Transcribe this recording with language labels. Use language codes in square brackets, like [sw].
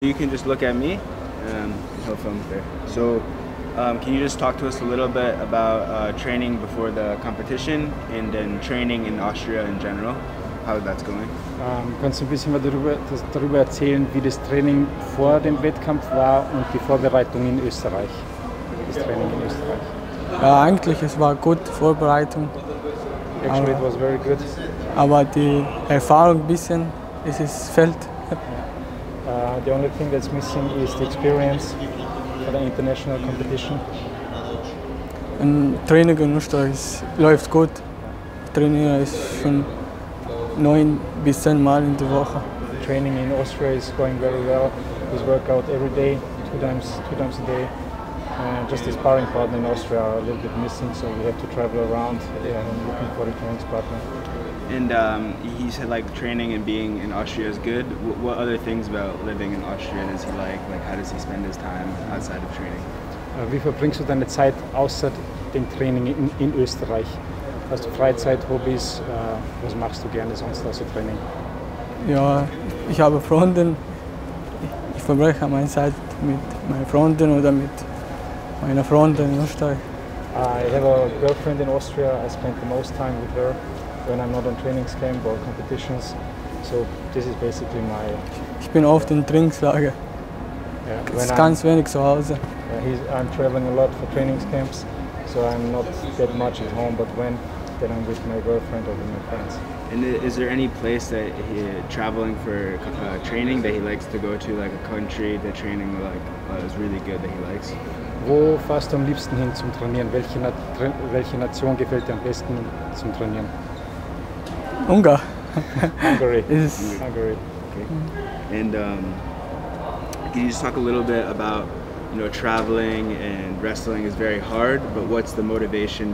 [en] You can just look at me and he'll film there. So can you just talk to us a little bit about training before the competition and then training in Austria in general, how that's going? [de] Kannst du ein bisschen darüber erzählen, wie das Training vor dem Wettkampf war und die Vorbereitung in Österreich? Das Training in Österreich. Ja, eigentlich es war gut, die Vorbereitung. [en] Actually, [de] aber, [en] it was very good. [de] Aber die Erfahrung ein bisschen, es ist fehlt. [en] The only thing that's missing is the experience for the international competition. [de] Und Training in Österreich läuft gut. Training ist schon 9 bis 10 Mal in der Woche. [en] Training in Austria is going very well. We work out every day, two times a day. Just the sparring partner in Austria are a little bit missing, so we have to travel around and looking for the training partner. And he said like training and being in Austria is good. What other things about living in Austria is he like? Like how does he spend his time outside of training? [de] Wie verbringst du deine Zeit außer dem Training in Österreich? Hast du Freizeit, Hobbys? Was machst du gerne sonst außer Training? Ja, ich habe Freunde. Ich verbringe meine Zeit mit meinen Freunden oder mit meiner Freundin in Österreich. [en] I have a girlfriend in Austria. I spend the most time with her when I'm not on training camp or competitions. So this is basically my... [de] Ich bin oft in Trainingslager. Yeah, es ist ganz wenig zu Hause. [en] I'm traveling a lot for training camps, so I'm not that much at home, but when, then I'm with my girlfriend or with my friends. And is there any place that he traveling for training that he likes to go to, like a country that training like is really good that he likes? [de] Wo fährst du am liebsten hin zum Trainieren? Welche Nation gefällt dir am besten zum Trainieren? Ungar. [en] Hungary. Hungary. Okay. And can you just talk a little bit about, you know, traveling and wrestling is very hard, but what's the motivation?